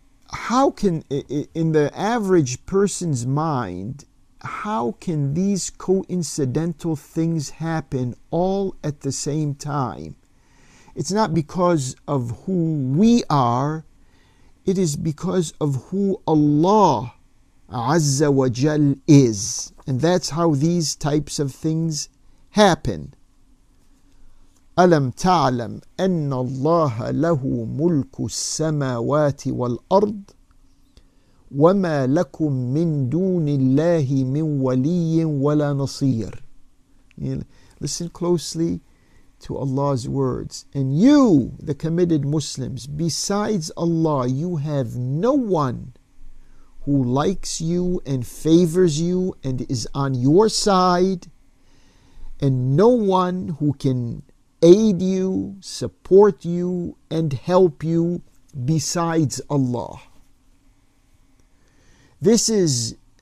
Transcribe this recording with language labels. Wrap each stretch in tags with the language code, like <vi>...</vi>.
<en>How can, in the average person's mind, how can these coincidental things happen all at the same time? It's not because of who we are, it is because of who Allah Azza wa Jal is. And that's how these types of things happen.</en> <ar>أَلَمْ تَعْلَمْ أَنَّ اللَّهَ لَهُ مُلْكُ السَّمَاوَاتِ وَالْأَرْضِ وَمَا لَكُمْ مِنْ دُونِ اللَّهِ مِنْ وَلِيٍّ وَلَا نَصِيرٍ</ar> <en>Listen closely to Allah's words. And you, the committed Muslims, besides Allah, you have no one who likes you and favors you and is on your side, and no one who can aid you, support you, and help you besides Allah. This is</en>